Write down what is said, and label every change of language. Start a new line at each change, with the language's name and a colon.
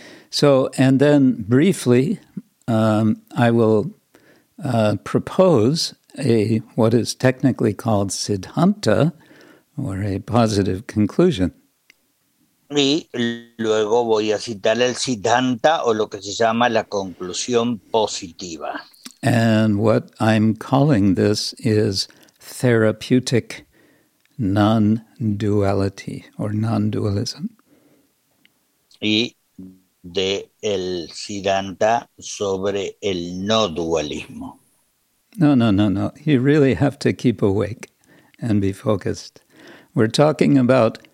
English: So, and then briefly, I will propose what is technically called Siddhanta, or a positive conclusion.
Spanish: Y luego voy a citar el Siddhanta, o lo que se llama la conclusión positiva.
English: And what I'm calling this is therapeutic non-duality, or non-dualism.
Spanish: Y de el Siddhanta sobre el no dualismo. No.
English: You really have to keep awake and be focused. We're talking about